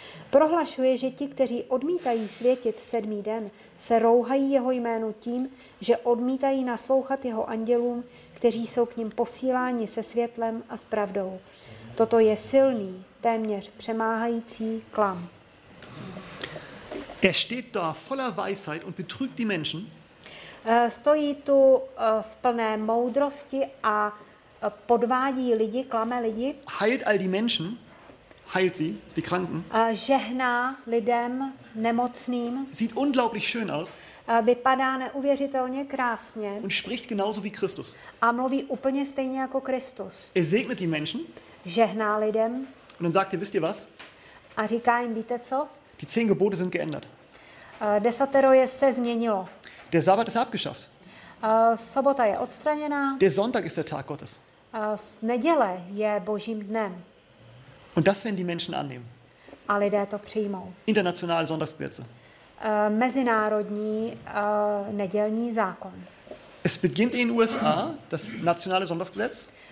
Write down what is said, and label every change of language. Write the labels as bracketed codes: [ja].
[cs] Prohlašuje, že ti, kteří odmítají světit sedmý den, se rouhají jeho jménu tím, že odmítají naslouchat jeho andělům, kteří jsou k ním posíláni se světlem a s pravdou. Toto je silný, téměř přemáhající klam. [de] Er steht da voller Weisheit und betrügt die Menschen. [cs] Stojí tu v plné moudrosti a podvádí lidi, klame lidi. [de] Heilt all die Menschen, heilt sie, die Kranken. [cs] Žehná lidem nemocným. [de] Sieht unglaublich schön aus. [cs] Vypadá neuvěřitelně krásně. [de] Und spricht genauso wie Christus. [cs] A mluví úplně stejně jako Kristus. [de] Er segnet die Menschen. [cs] Žehná lidem. [de] Und dann sagt er, wisst ihr was? [cs] A říká jim, víte co? [de] Die zehn Gebote sind geändert. [cs] Desatero je se změnilo. [de] Der Sabbat ist abgeschafft. [cs] Sobota je odstraněná. [de] Der Sonntag ist der Tag Gottes. [cs] Neděle je Božím dnem. [de] Und das werden die Menschen annehmen. [cs] A lidé to přijmou. [de] Internationale Sonntagsgesetze. [cs] Mezinárodní nedělní zákon. [de] Es beginnt in USA, das nationale Sonntagsgesetz.